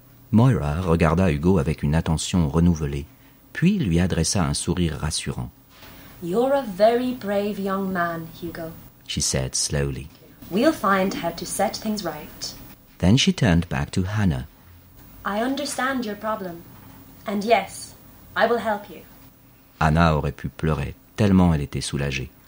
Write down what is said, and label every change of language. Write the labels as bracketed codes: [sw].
[fr] Moira regarda Hugo avec une attention renouvelée, puis lui adressa un sourire rassurant. [en] You're a very brave young man, Hugo, she said slowly. We'll find how to set things right. Then she turned back to Hannah. I understand your problem. And yes, I will help you. [fr] Hannah aurait pu pleurer, tellement elle était soulagée.